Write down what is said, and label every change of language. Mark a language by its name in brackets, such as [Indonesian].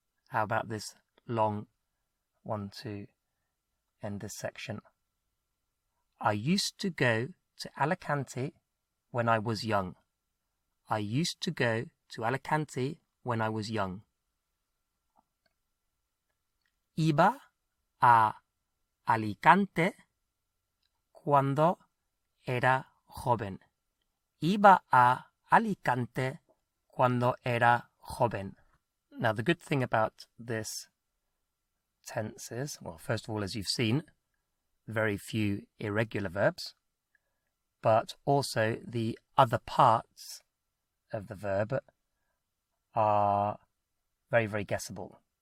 [English] How about this long one to end this section? I used to go to Alicante when I was young. I used to go to Alicante when I was young. [Spanish] Iba a Alicante cuando era joven. Iba a Alicante cuando era joven. [English] Now, the good thing about this tense is, well, first of all, as you've seen, very few irregular verbs, but also the other parts of the verb are very, very guessable.